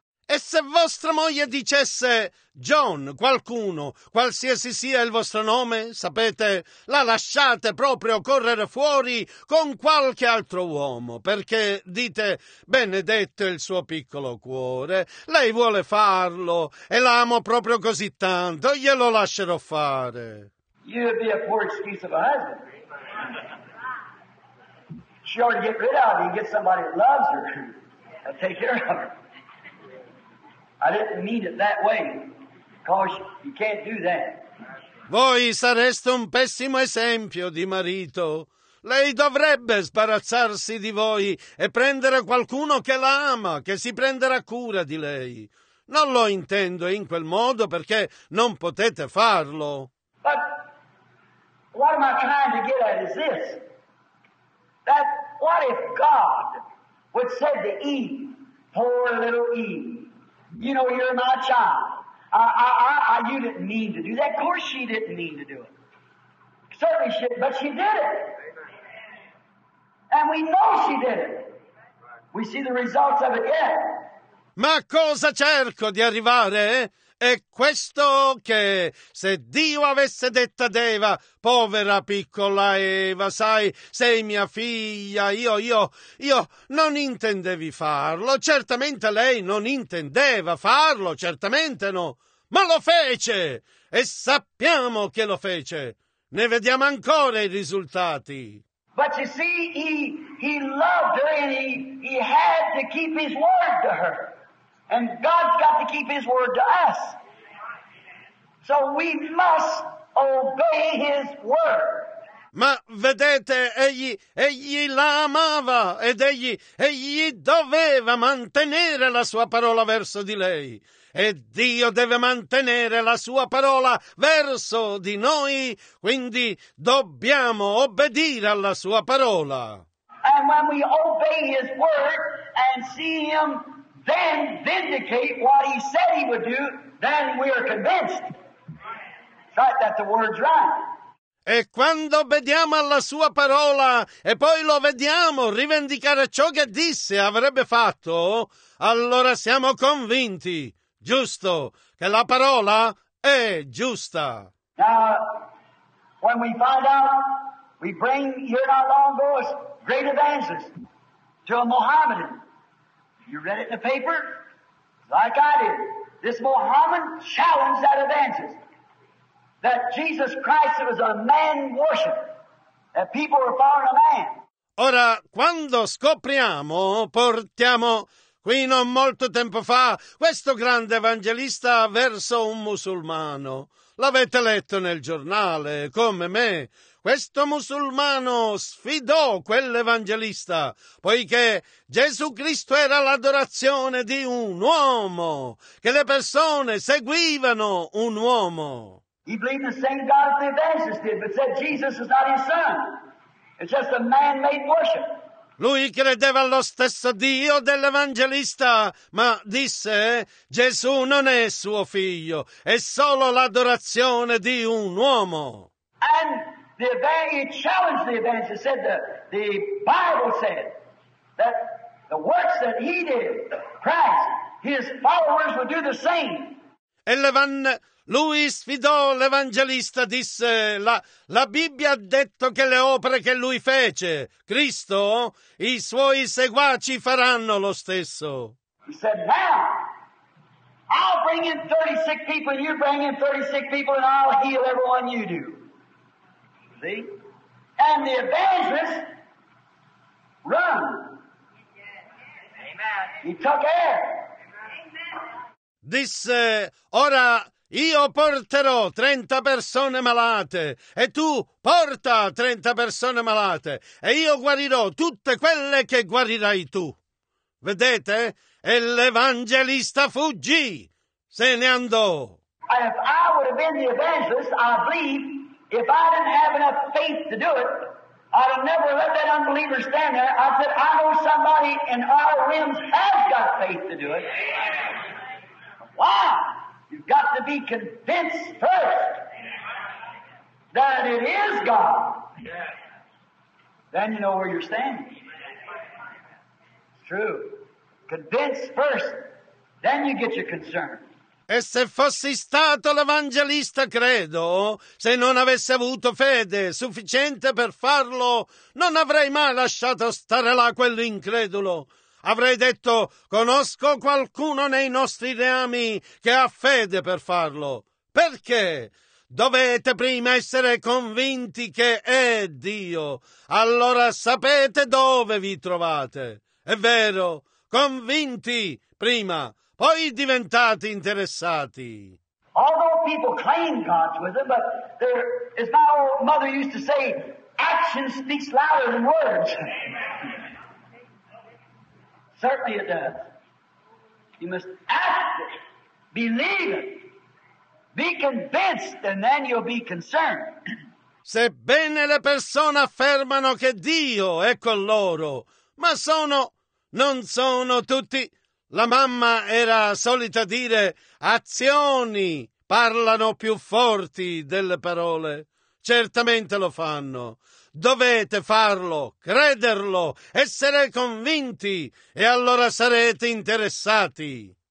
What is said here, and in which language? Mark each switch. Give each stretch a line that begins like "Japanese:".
Italian: E se vostra moglie dicesse, John, qualcuno, qualsiasi sia il vostro nome, sapete, la lasciate proprio correre fuori con qualche altro uomo, perché dite, benedetto il suo piccolo cuore, lei vuole farlo, e l'amo proprio così tanto, glielo lascerò fare.
English: You'd be a poor excuse of a husband. She ought to get rid of you, get somebody that loves her, and take care of her. I didn't mean it that way, because you can't do that.
Italian: Voi sareste un pessimo esempio di marito. Lei dovrebbe sbarazzarsi di voi e prendere qualcuno che la ama, che si prenderà cura di lei. Non lo intendo in quel modo perché non potete farlo.
English: But what am I trying to get at is this. That what if God would say to Eve, poor little Eve, you know, you're my child. You didn't mean to do that. Of course she didn't mean to do it. Certainly she didn't, but she did it. And we know she did it. We see the results of it yet.
Italian: Ma cosa cerco di arrivare? È questo che se Dio avesse detto ad Eva, povera piccola Eva, sai, sei mia figlia, io non intendevi farlo, certamente lei non intendeva farlo, certamente no, ma lo fece e sappiamo che lo fece, ne vediamo ancora i risultati.
English: But you see, he loved her and he had to keep his word to her. And God's got to keep his word to us. So we must obey his word.
Italian: Ma vedete, egli la amava ed egli doveva mantenere la sua parola verso di lei. E Dio deve mantenere la sua parola verso di noi, quindi dobbiamo obbedire alla sua parola.
English: And when we obey his word and see him then vindicate what he said he would do, then we are convinced. Right, that the word's right.
Italian: E quando obbediamo alla sua parola e poi lo vediamo rivendicare ciò che disse avrebbe fatto, allora siamo convinti, giusto, che la parola è giusta.
English: Now, when we find out, we bring here not long ago a great evangelist to a Mohammedan. You read it in the paper? Like I did. This Mohammedan challenged that evangelist. That Jesus Christ was a man worship. That people were following a man.
Italian: Ora, quando scopriamo, portiamo qui non molto tempo fa questo grande evangelista verso un musulmano. L'avete letto nel giornale, come me. Questo musulmano sfidò quell'evangelista, poiché Gesù Cristo era l'adorazione di un uomo, che le persone seguivano un uomo.
English: He believed the same God that the evangelist did, but said Jesus is not his son. It's just a man-made worship.
Italian: Lui credeva allo stesso Dio dell'evangelista, ma disse, Gesù non è suo figlio, è solo l'adorazione di un uomo.
English: And the evangelist challenged the evangelist, said the Bible said that the works that he did, Christ, his followers would do the same.
Italian: E lui sfidò l'evangelista, disse, la Bibbia ha detto che le opere che lui fece, Cristo, i suoi seguaci faranno lo stesso.
English: He said, now, I'll bring in 36 people, you bring in 36 people, and I'll heal everyone you do. See? And the evangelist run. Amen. He took air. Amen.
Italian: Disse, ora io porterò 30 persone malate e tu porta 30 persone malate e io guarirò tutte quelle che guarirai tu. Vedete? E l'evangelista fuggì, se ne andò.
English: If I would have been the evangelist, I believe, if I didn't have enough faith to do it, I'd have never let that unbeliever stand there. I said, I know somebody in our realms has got faith to do it. Why? You've got to be convinced first that it is God. Then you know where you're standing. It's true. Convinced first, then you get your concern.
Italian: E se fossi stato l'evangelista, credo, se non avessi avuto fede sufficiente per farlo, non avrei mai lasciato stare là quell'incredulo. Avrei detto, conosco qualcuno nei nostri reami che ha fede per farlo. Perché? Dovete prima essere convinti che è Dio. Allora sapete dove vi trovate. È vero, convinti prima, poi diventate interessati.
English: Although people claim God's wisdom, but there, as my old mother used to say, action speaks louder than words. Certainly it does. You must act it, believe it, be convinced, and then you'll be concerned.
Italian: Sebbene le persone affermano che Dio è con loro, ma non sono tutti. La mamma era solita dire, azioni parlano più forti delle parole. Certamente lo fanno. Dovete farlo, crederlo, essere convinti, e allora sarete interessati.